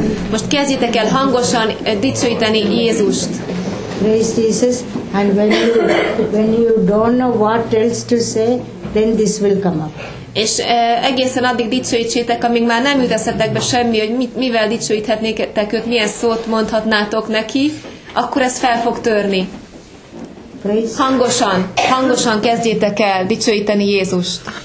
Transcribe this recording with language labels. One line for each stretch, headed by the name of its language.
Hungarian: Most kezdjétek el hangosan dicsőíteni Jézust.
English: Praise Jesus, and when you don't know what else to say, then this will come up.
Hungarian: És egészen addig dicsőítsétek, amíg már nem jut eszetekbe semmi, hogy mivel dicsőíthetnétek őt, milyen szót mondhatnátok neki, akkor ez fel fog törni. Hangosan, hangosan kezdjétek el dicsőíteni Jézust.